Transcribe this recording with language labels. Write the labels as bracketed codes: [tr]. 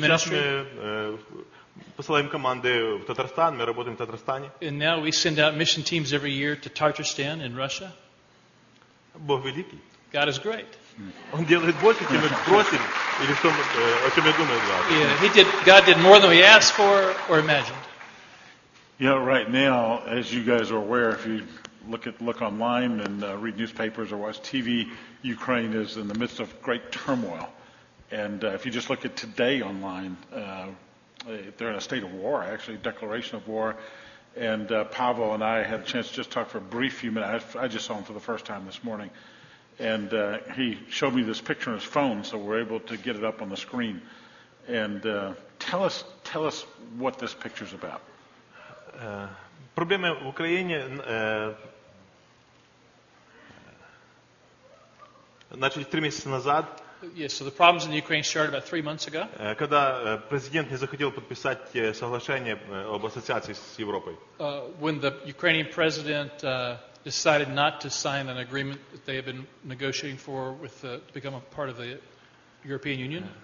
[en] ministry. [ru] Посылаем команды в Татарстан, мы работаем в Татарстане. [en] And now we send out mission teams every year to Tatarstan in Russia. [ru] Бог великий. [en] God is great. [ru] Он делает больше, чем мы просим, или что, о чем я думаю, да. [en] Yeah, he did. God did more than we asked for or imagined. Yeah, right now, as you guys are aware, if you look online and read newspapers or watch TV, Ukraine is in the midst of great turmoil. And if you just look at today online, they're in a state of war, actually, declaration of war. And Pavel and I had a chance to just talk for a brief few minutes. I just saw him for the first time this morning. And he showed me this picture on his phone, so we're able to get it up on the screen. And tell us what this picture is about. [uk] Проблемы в Україні начались 3 місяці назад. [en] Yes, so the problems in the Ukraine started about 3 months ago. [uk] Коли президент не захотів підписати соглашення об асоціації з Європою. [en] When the Ukrainian president decided not to sign an agreement that they had been negotiating for with to become a part of the European Union.